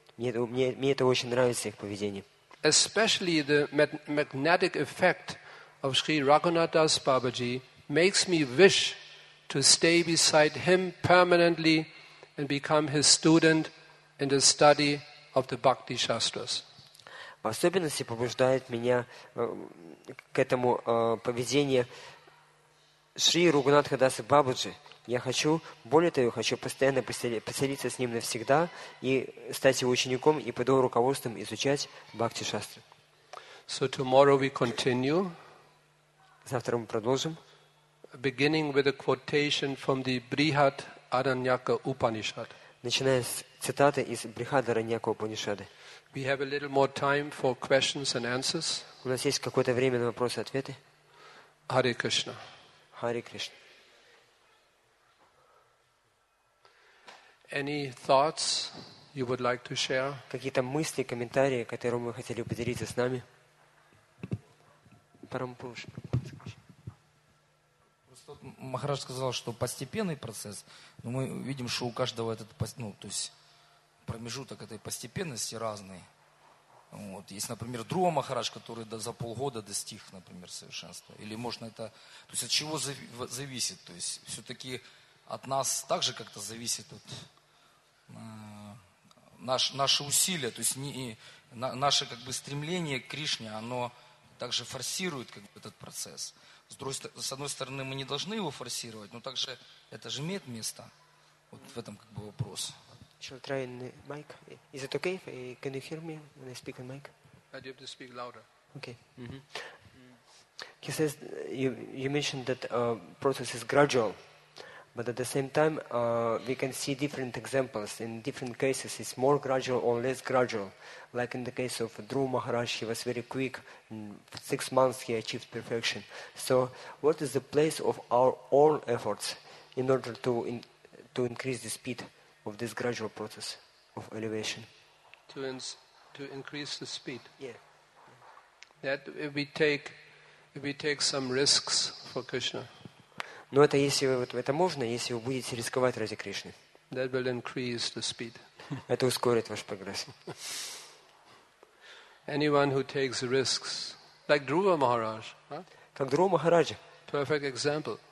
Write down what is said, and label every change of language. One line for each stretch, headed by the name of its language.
Russian: Мне это очень нравится, их поведение.
English: Especially the magnetic effect of Sri Raghunathas Babaji makes me wish to stay beside him permanently and become his student in the study of the Bhakti Shastras.
Russian: В особенности побуждает меня к этому поведению Шри Рагунатхадаса Бабаджи. Я хочу, более того, хочу постоянно поселиться с ним навсегда и стать его учеником и под его руководством изучать Бхакти Шастры.
English: So tomorrow we continue.
Russian: Завтра мы продолжим.
English: Beginning with a quotation from the Brihat Aranyaka Upanishad.
Russian: Начиная с цитаты из Брихат Араньяка Упанишады.
English: We have a little more time for questions and answers.
Russian: У нас есть какое-то время на вопросы и ответы.
Sanskrit: Hare Krishna. Hare Krishna.
English: Any thoughts you would like to share?
Russian: Какие-то мысли, комментарии, которые мы хотели бы поделиться с нами? Парампуш. Просто Махарадж сказал, что постепенный процесс, но мы видим, что у каждого этот, ну, то есть промежуток этой постепенности разный. Вот. Есть, например, Друа Махарадж, который за полгода достиг, например, совершенства. Или можно это... То есть от чего зависит? То есть все-таки от нас также как-то зависит вот, наши усилия, то есть наше как бы стремление к Кришне, оно также форсирует как бы, этот процесс. С одной стороны, мы не должны его форсировать, но также это же имеет место. Вот в этом как бы вопрос.
English: Shall I try and mic? Is it okay? Can you hear me when I speak in mic? I do have to speak louder. Okay. Mm-hmm. He says, you mentioned that process is gradual, but at the same time, we can see different examples. In different cases, it's more gradual or less gradual. Like in the case of Dhruva Maharaj, he was very quick. In 6 months, he achieved perfection. So what is the place of our own efforts in order to increase the speed of this gradual process of elevation? To increase the speed? Yeah. That if we take some risks for Krishna,
Russian: но это если вы, вот это можно, если вы будете рисковать ради Кришны.
English: That will increase the speed.
Russian: Это ускорит ваш прогресс.
English: Anyone who takes risks, like Dhruva Maharaj,
Russian: как Dhruva Maharaj.
English: Perfect example.